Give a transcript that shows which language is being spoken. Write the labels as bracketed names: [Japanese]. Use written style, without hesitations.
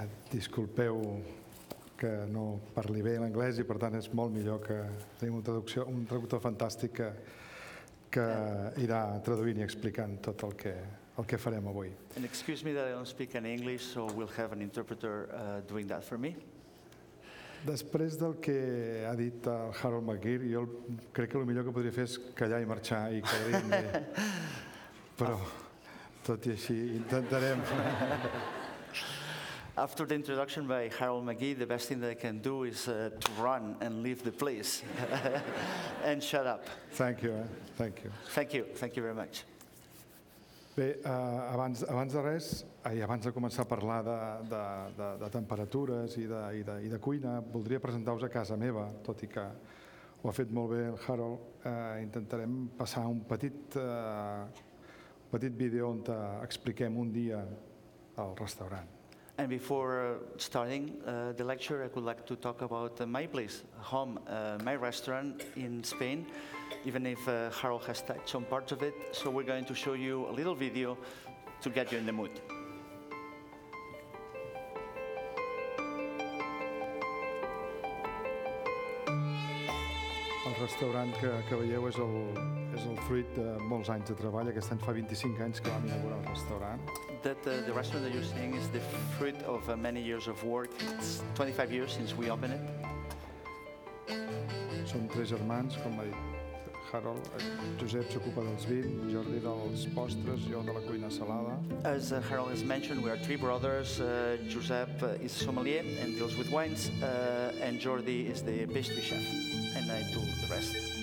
[Catalan] Disculpeu que no parli bé l'anglès i per tant és molt millor que tenim un traductor fantàstic que irà traduint i explicant tot el que farem avui. [English] And excuse me that I don't speak in English, so we'll have an interpreter doing that for me. [Catalan] Després del que ha dit el Harold McGeer, jo crec que el millor que podria fer és callar i marxar i quedar-hi. Però tot i així intentarem. [English] After the introduction by Harold McGee, the best thing that I can do is to run and leave the place and shut up. Thank you. Thank you. Thank you. Thank you very much. [Catalan] Bé, abans de res, i abans de començar a parlar de temperatures i de cuina, voldria presentar-vos a casa meva, tot i que ho ha fet molt bé el Harold. Intentarem passar un petit vídeo on expliquem un dia el restaurant. [English] And before starting the lecture, I would like to talk about my place, home, my restaurant in Spain, even if Harold has touched on parts of it. So we're going to show you a little video to get you in the mood. Oh. [Catalan] El restaurant que veieu és el fruit de molts anys de treball. Aquest any fa 25 anys que vam inaugurar el restaurant. [English] That the restaurant that you're seeing is the fruit of many years of work. It's 25 years since we opened it. [Catalan] Som tres germans, com ha dit Harold. Josep s'ocupa dels vins, Jordi dels postres, jo de la cuina salada. [English] As Harold has mentioned, we are three brothers. Josep is sommelier and deals with wines, and Jordi is the pastry chef, and I do the rest.